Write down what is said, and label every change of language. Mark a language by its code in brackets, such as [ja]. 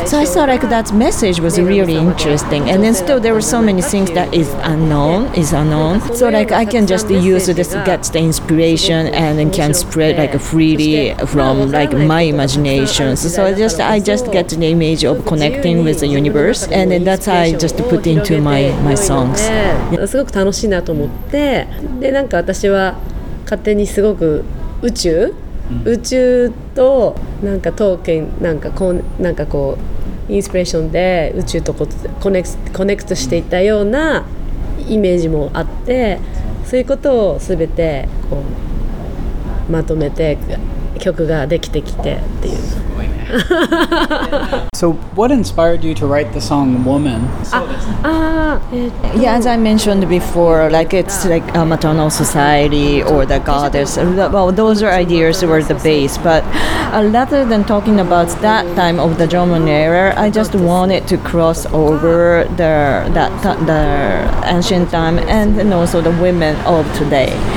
[en] So I saw like that message was really interesting. And then still there were so many things that is unknown. So like I can just use this get the inspiration and then can spread like freely from like my imaginations. So I just get the image of connecting with the universe, and then that's how I just put into my songs. [ja] すごく楽しいなと思って、でなんか私は勝手にすごく宇宙となんか刀剣なんかこうインスピレーションで宇宙とこうコネクトしていったような イメージもあって、そういうことをすべてこうまとめて曲ができてきてっていう。 [en] So what inspired you to write the song Woman? As I mentioned before, like it's like a maternal society or the goddess. Well, those are ideas that were the base. But rather than talking about that time of the German era, I just wanted to cross over the ancient time and then also the women of today.